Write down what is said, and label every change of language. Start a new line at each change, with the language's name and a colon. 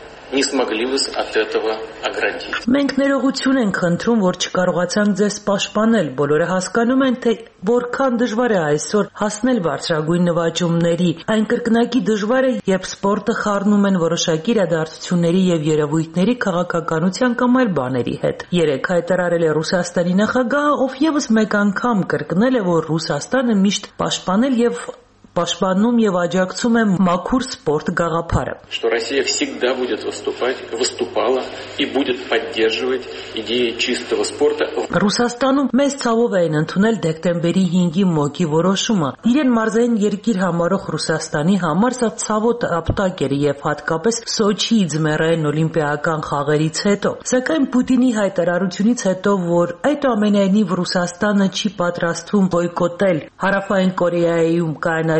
Armenian: Մենք ներողություն ենք խնդրում, որ չկարողացանք ձեզ պաշտպանել։ Բոլորը հասկանում են, թե որքան դժվար է այսօր հասնել բարձրագույն նվաճումների, այն կրկնակի դժվար է, երբ սպորտը խառնում են որոշակի իրադարձությունների և երևույթների քաղաքականության կամ այլ բաների հետ։ Երեկ հայտարարել է Ռուսաստանի նախագահը, ով ևս մեկ անգամ կրկնել է, որ Ռուսաստանը միշտ պաշտպանել և պաշտպանում և աջակցում է մաքուր սպորտ գաղափարը։
Russian: Что Россия всегда будет выступать, выступала и будет поддерживать идеи чистого спорта.
Armenian: Ռուսաստանում մեծ ցավով էին ընդունել դեկտեմբերի 5-ի մոգի որոշումը։ Իրեն մարզային երկիր համարող Ռուսաստանի համար սա ցավոտ ապտակ էր, և հատկապես Սոչիի ձմեռային օլիմպիական խաղերից հետո։ Սակայն Պուտինի հայտարարությունից հետո, որ այդ ամենայնիվ Ռուսաստանը չի պատրաստվում բոյկոտել Հարավային Կորեայում կայանալի